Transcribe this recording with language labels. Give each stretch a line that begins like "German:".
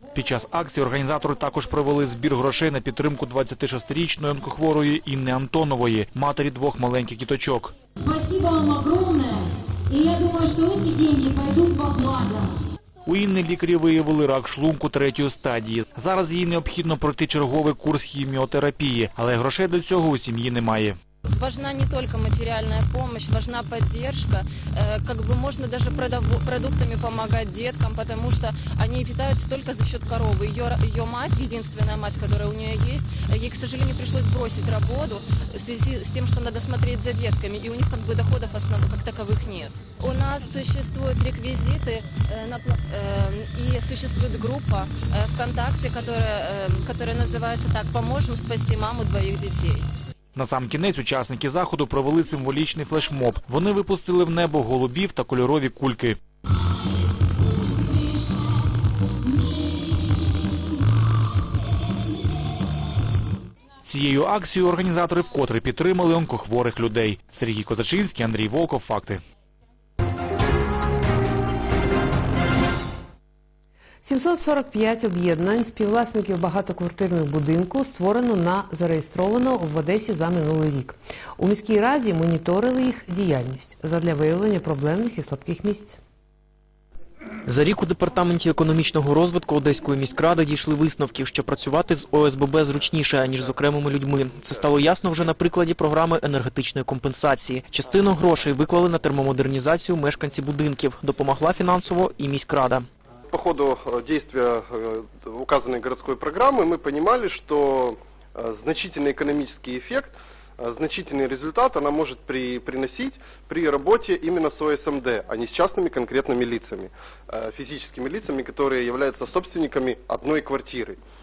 Ukrainian: Під час акції організатори також провели збір грошей на підтримку 26-річної онкохворої Інни Антонової, матері двох маленьких діточок. Дякую вам огромне. І я думаю, що ці гроші пійдуть во благо. У Інни лікарі виявили рак шлунку третьої стадії. Зараз їй необхідно пройти черговий курс хіміотерапії, але грошей до цього у сім'ї немає.
Russian: важна не только материальная помощь, важна поддержка. Как бы можно даже продуктами помогать деткам, потому что они питаются только за счет коровы. Ее мать, единственная мать, которая у нее есть, ей, к сожалению, пришлось бросить работу в связи с тем, что надо смотреть за детками, и у них как бы доходов основных как таковых нет. У нас существуют реквизиты и существует группа ВКонтакте, которая называется так: «Поможем спасти маму двоих детей».
Ukrainian: На сам кінець учасники заходу провели символічний флешмоб. Вони випустили в небо голубів та кольорові кульки. Цією акцією організатори вкотре підтримали онкохворих людей. Сергій Козачинський, Андрій Волков, «Факти». 745 об'єднань співвласників багатоквартирних будинків створено на зареєстровано в Одесі за минулий рік. У міській раді моніторили їх діяльність задля виявлення проблемних і слабких місць. За рік у департаменті економічного розвитку Одеської міськради дійшли висновки, що працювати з ОСББ зручніше, аніж з окремими людьми. Це стало ясно вже на прикладі програми енергетичної компенсації. Частину грошей виклали на термомодернізацію мешканці будинків. Допомогла фінансово і міськрада.
Russian: По ходу действия указанной городской программы мы понимали, что значительный экономический эффект, значительный результат она может приносить при работе именно с ОСМД, а не с частными конкретными лицами, физическими лицами, которые являются собственниками одной квартиры.